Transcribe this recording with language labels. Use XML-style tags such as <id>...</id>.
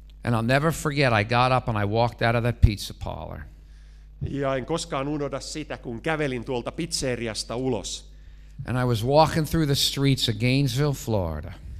<en>And I'll never forget, I got up and I walked out of that pizza parlor.</en> <fi>Ja en koskaan unohda sitä, kun kävelin tuolta pizzeriasta ulos.</fi> <en>And I was walking through the streets of Gainesville, Florida.</en>